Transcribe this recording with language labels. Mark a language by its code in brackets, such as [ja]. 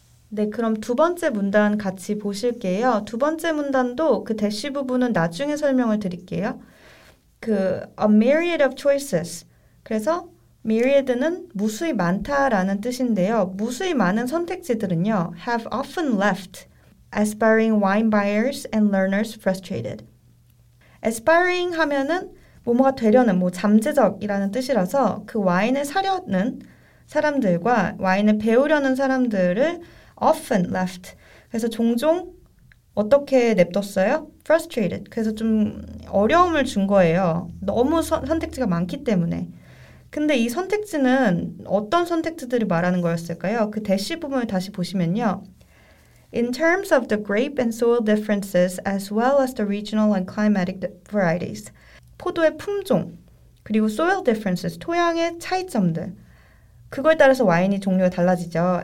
[ko] 네, 그럼 두 번째 문단 같이 보실게요. 두 번째 문단도 그 대시 부분은 나중에 설명을 드릴게요. 그 [en] a myriad of choices. [ko] 그래서 myriad는 무수히 많다라는 뜻인데요. 무수히 많은 선택지들은요. [en] have often left aspiring wine buyers and learners frustrated. [ko] aspiring 하면은 뭐뭐가 되려는 뭐 잠재적이라는 뜻이라서 그 와인을 사려는 사람들과 와인을 배우려는 사람들을 [en] often left. [ko] 그래서 종종 어떻게 냅뒀어요? [en] frustrated. [ko] 그래서 좀 어려움을 준 거예요. 너무 선택지가 많기 때문에. 근데 이 선택지는 어떤 선택지들이 말하는 거였을까요? 그 대시 부분을 다시 보시면요. [en] In terms of the grape and soil differences as well as the regional and climatic varieties. [ko] 포도의 품종, 그리고 [en] soil differences, [ko] 토양의 차이점들. 그걸 따라서 와인이 종류가 달라지죠.